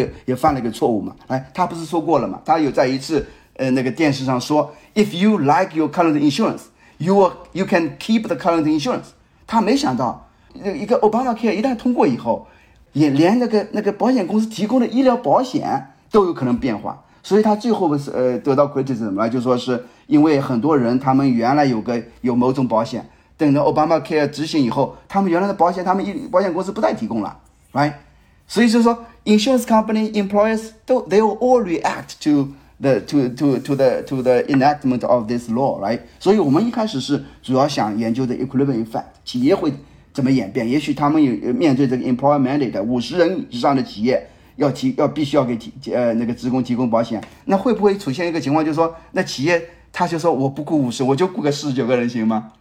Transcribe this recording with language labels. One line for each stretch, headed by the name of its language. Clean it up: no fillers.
Chinese: 也犯了一个错误嘛，哎，他不是说过了嘛，他有在一次那个电视上说
English: If you like your current insurance
Chinese: you can keep the current insurance， 他没想到一个 Obamacare 一旦通过以后，也连那个保险公司提供的医疗保险都有可能变化，所以他最后得到归结是什么呢？就是说是因为很多人他们原来有某种保险，等着 Obamacare 执行以后，他们原来的保险，他们保险公司不再提供了， right？所以就是说
English: insurance company employers they will all react to the enactment of this law， right？
Chinese: 所以我们一开始是主要想研究的 equilibrium effect， 企业会怎么演变？也许他们有面对这个 employer mandate， 50人以上的企业必须要给职工提供保险，那会不会出现一个情况，就是说那企业他就说我不雇50，我就雇个49个人行吗？